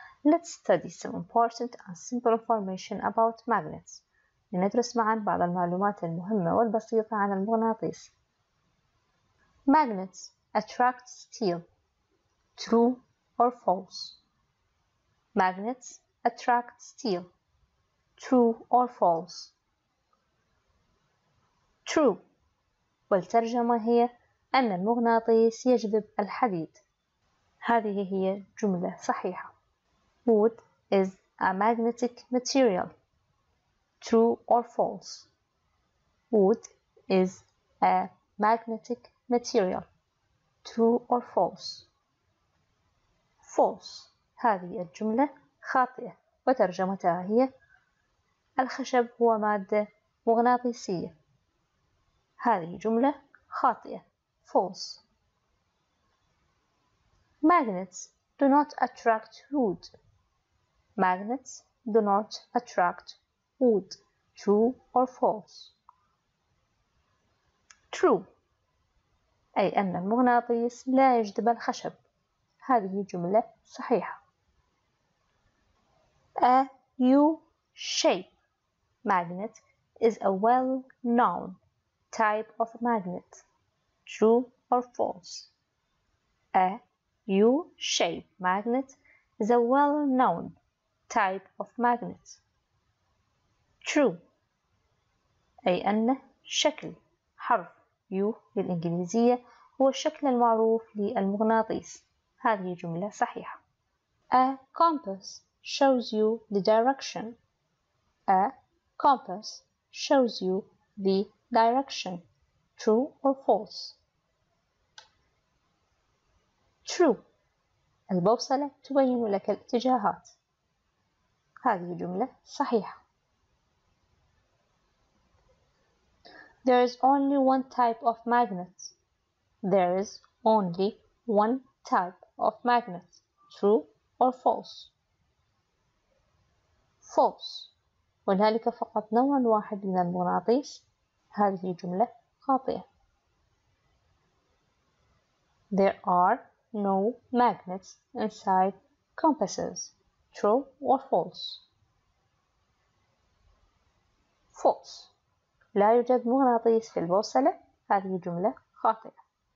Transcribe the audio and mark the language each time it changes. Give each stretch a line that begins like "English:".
English: Let's study some important and simple information about magnets.
Arabic: لندرس معا بعض المعلومات المهمة والبسيطة عن المغناطيس.
English: Magnets attract steel. True or false? Magnets attract steel. True or false? True.
Arabic: والترجمة هي أن المغناطيس يجذب الحديد. هذه هي جملة صحيحة.
English: Wood is a magnetic material. True or false? Wood is a magnetic material. True or false? False.
Arabic: هذه الجملة خاطئة وترجمتها هي الخشب هو مادة مغناطيسية. هذه جملة خاطئة.
English: False. Magnets do not attract wood. Magnets do not attract wood. True or false? True.
Arabic: أي أن المغناطيس لا يجذب الخشب. هذه جملة صحيحة.
English: A U shape magnet is a well-known type of magnet. True or false? A U shape magnet is a well-known type of magnet. True.
Arabic: أي أن شكل حرف U للإنجليزية هو الشكل المعروف للمغناطيس. هذه جملة صحيحة.
English: A compass shows you the direction. A compass shows you the direction. True or false? True.
Arabic: البوصلة تبين لك الاتجاهات. هذه جملة صحيحة.
English: There is only one type of magnet. There is only one type of magnet. True or false? False.
Arabic: وهنالك فقط نوع واحد من المغناطيس. هذه جملة خاطئة.
English: There are no magnets inside compasses. True or false? False.
Arabic: لا يوجد مغناطيس في البوصلة. هذه جملة خاطئة.